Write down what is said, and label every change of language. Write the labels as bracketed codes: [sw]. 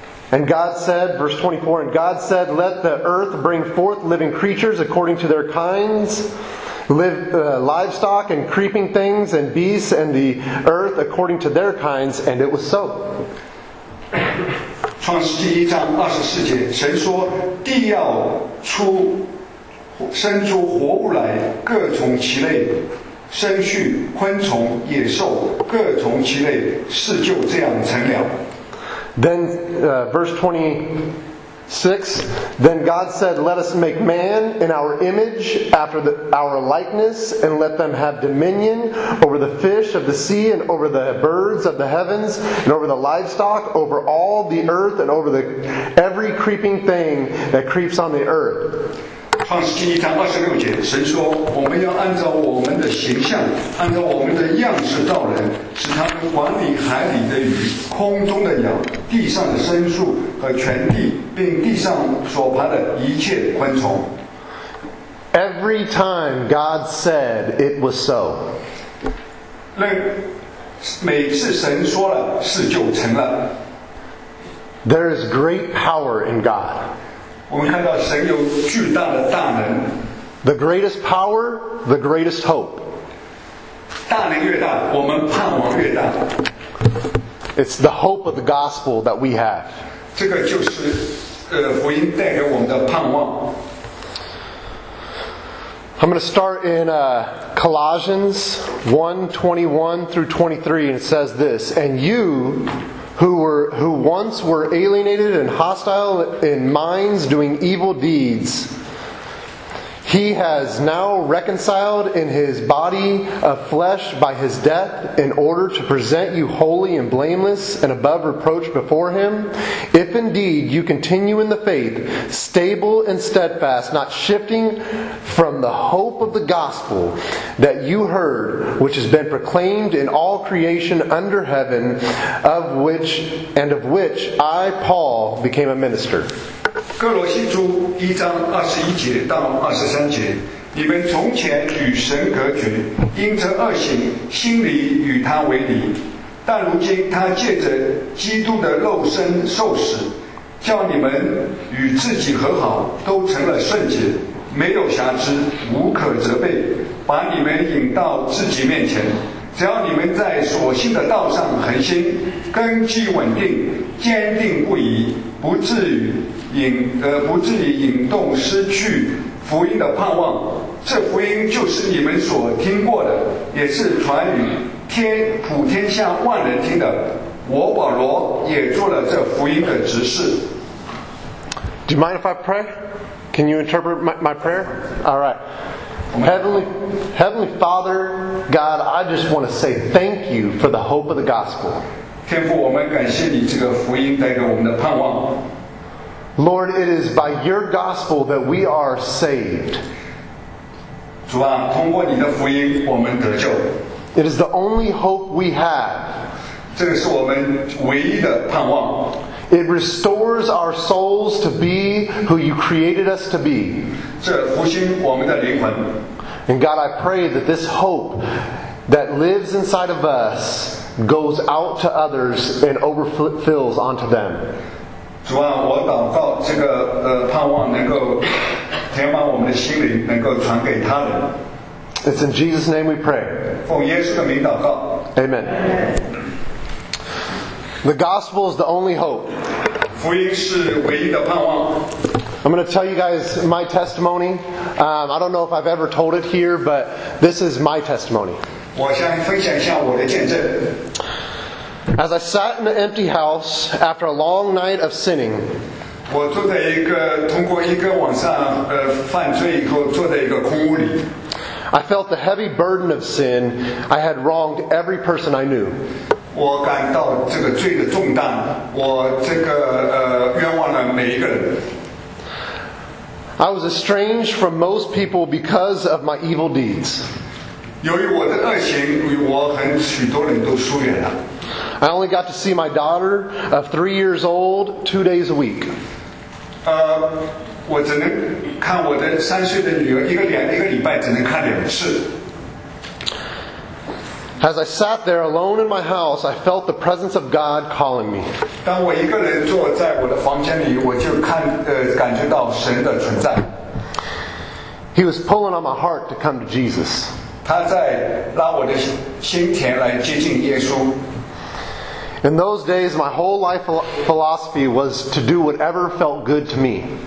[en] And God said, verse 24, And God said, Let the earth bring forth living creatures according to their kinds, livestock and creeping things and beasts and the earth according to their kinds, and it was so. [zh] 创世纪一章二十四节，神说，地要出生出活物来，各从其类，牲畜、昆虫、野兽，各从其类，事就这样成了。 [en] Then verse 26, then God said, let us make man in our image after our likeness and let them have dominion over the fish of the sea and over the birds of the heavens and over the livestock, over all the earth and over every creeping thing that creeps on the earth. [zh] 创世纪一章二十六节，神说：“我们要按照我们的形象，按照我们的样式造人，使他们管理海里的鱼、空中的鸟、地上的牲畜和全地，并地上所爬的一切昆虫。” [en] Every time God said it was so. [zh] 每次神说了，事就成了。 [en] There is great power in God. [zh] 我们看到神有巨大的大能。 [en] The greatest power, the greatest hope. [zh] 大能越大，我们盼望越大。 [en] It's the hope of the gospel that we have. [zh] 这个就是福音带给我们的盼望。 [en] I'm going to start in Colossians 1:21 through 23, and it says this: And you, who once were alienated and hostile in minds, doing evil deeds, he has now reconciled in his body of flesh by his death, in order to present you holy and blameless and above reproach before him. If indeed you continue in the faith, stable and steadfast, not shifting from the hope of the gospel that you heard, which has been proclaimed in all creation under heaven, of which I, Paul, became a minister. [zh] 哥罗西书一章二十一节到二十三节，你们从前与神隔绝，因着恶行，心里与他为敌。但如今他借着基督的肉身受死，叫你们与自己和好，都成了圣洁，没有瑕疵，无可责备，把你们引到自己面前。只要你们在所信的道上恒心，根基稳定，坚定不移，不至于引动失去福音的盼望。这福音就是你们所听过的，也是传与天普天下万人听的。我保罗也做了这福音的执事。 [en] Do you mind if I pray? Can you interpret my prayer? All right. Heavenly Father, God, I just want to say thank you for the hope of the gospel. [zh] 天父，我们感谢你这个福音带给我们的盼望。 [en] Lord, it is by your gospel that we are saved. [zh] 主啊，通过你的福音，我们得救。 [en] It is the only hope we have. [zh] 这个是我们唯一的盼望。 [en] It restores our souls to be who you created us to be. [zh] 这复兴我们的灵魂。 [en] And God, I pray that this hope that lives inside of us goes out to others and overfills onto them. [zh] 主啊，我祷告这个盼望能够填满我们的心灵，能够传给他人。 [en] It's in Jesus' name we pray. [zh] 奉耶稣的名祷告。 [en] Amen. The gospel is the only hope. [zh] 福音是唯一的盼望。 [en] I'm going to tell you guys my testimony. I don't know if I've ever told it here, but this is my testimony. [zh] 我想分享一下我的见证。 [en] As I sat in an empty house after a long night of sinning, [zh] 我坐在一个通过一个晚上犯罪以后坐在一个空屋里。 [en] I felt the heavy burden of sin. I had wronged every person I knew. [zh] 我感到这个罪的重担，我这个冤枉了每一个人。 [en] I was estranged from most people because of my evil deeds. [zh] 由于我的恶行，我和许多人都疏远了。 [en] I only got to see my daughter of 3 years old 2 days a week. [zh] 我只能看我的三岁的女儿一个礼拜只能看两次。 [en] As I sat there alone in my house, I felt the presence of God calling me. [zh] 当我一个人坐在我的房间里，我就感觉到神的存在。 [en] He was pulling on my heart to come to Jesus. [zh] 他在拉我的心田来接近耶稣。 [en] In those days, my whole life philosophy was to do whatever felt good to me.